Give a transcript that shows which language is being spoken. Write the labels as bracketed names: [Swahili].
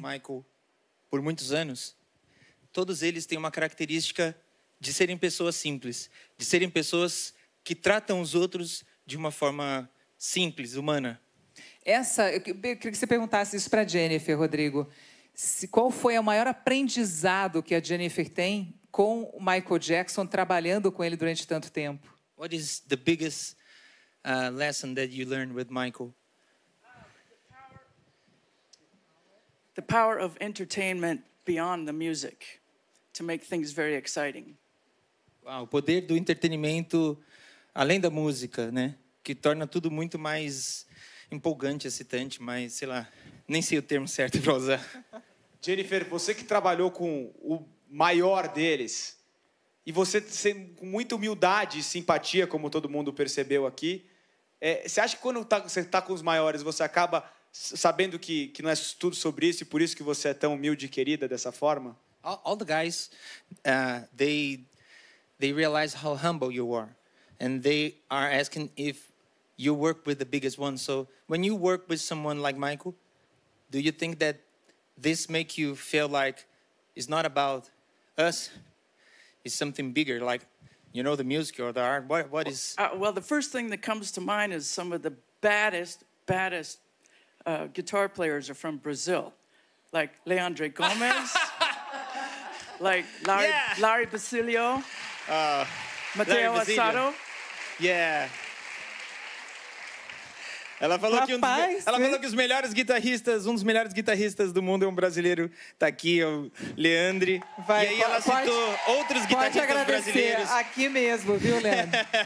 [Portuguese] Com o Michael, por muitos anos, todos eles têm uma característica de serem pessoas simples, de serem pessoas que tratam os outros de uma forma simples, humana. Essa, eu queria que você perguntasse isso para a Jennifer, Rodrigo. Qual foi o maior aprendizado que a Jennifer tem com o Michael Jackson, trabalhando com ele durante tanto tempo? [English] What is the biggest lesson that you learned with Michael? The power of entertainment beyond the music to make things very exciting. [Portuguese] Uau, o poder do entretenimento além da música, né? Que torna tudo muito mais empolgante, excitante, mas sei lá, nem sei o termo certo para usar. Jennifer, você que trabalhou com o maior deles, e você com muita humildade e simpatia, como todo mundo percebeu aqui, você acha que quando você está com os maiores, você acaba sabendo que não é tudo sobre isso, e por isso que você é tão humilde e querida dessa forma? [English] All the guys, they realize how humble you are, and they are asking if you work with the biggest one. So when you work with someone like Michael, do you think that this make you feel like it's not about us, it's something bigger, like, you know, the music or the art? What is... Well, the first thing that comes to mind is some of the baddest guitar players are from Brazil, like Leandre Gomes, like Larry Basilio, Mateo Assaro. Yeah. [Portuguese] Ela falou, rapaz, falou que os melhores guitarristas, um dos melhores guitarristas do mundo é um brasileiro, tá aqui, é o Leandre. Vai, e aí ela citou outros guitarristas pode agradecer brasileiros. Aqui mesmo, viu, Leandre?